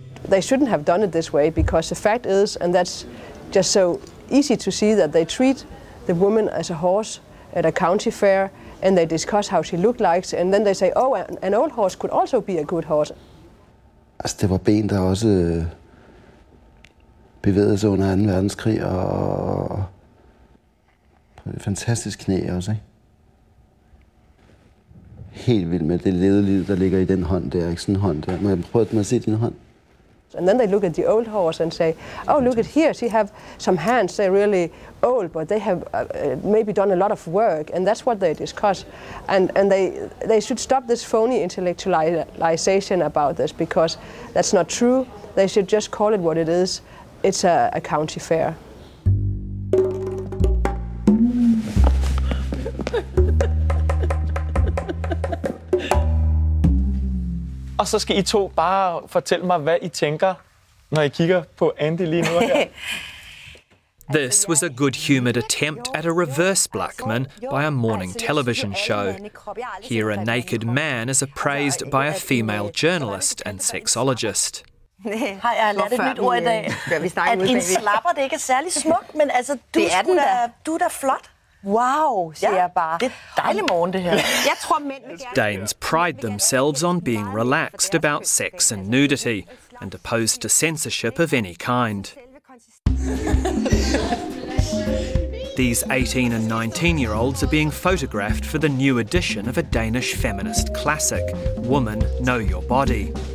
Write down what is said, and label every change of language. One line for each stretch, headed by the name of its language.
English: They shouldn't have done it this way, because the fact is, and that's just so easy to see, that they treat the woman as a horse at a county fair, and they discuss how she looked like, and then they say, oh, an old horse could also be a good horse.
Danish: Altså, det var ben, der også bevægede sig under 2. verdenskrig, og fantastisk knæ også, ikke? Helt vildt med det lede liv, der ligger i den hånd der, ikke sådan en hånd der. Må jeg prøve at se din hånd?
English: And then they look at the old horse and say, oh, look at here, she have some hands, they're really old, but they have maybe done a lot of work, and that's what they discuss. And they should stop this phony intellectualization about this, because that's not true. They should just call it what it is. It's a county fair.
Danish: Og så skal I to bare fortælle mig, hvad I tænker, når I kigger på Andy lige nu her.
English: This was a good-humoured attempt at a reverse Blackman by a morning television show. Here a naked man is appraised by a female journalist and sexologist.
Danish: Har jeg lavet et nyt ord i dag? At en slapper, det ikke er særlig smuk, men altså, du er da flot. Wow, siger jeg bare. Det er dejlig morgen, det her. Jeg tror, mænd vil gerne...
English: Danes pride themselves on being relaxed about sex and nudity, and opposed to censorship of any kind. These 18 and 19-year-olds are being photographed for the new edition of a Danish feminist classic, Woman, Know Your Body.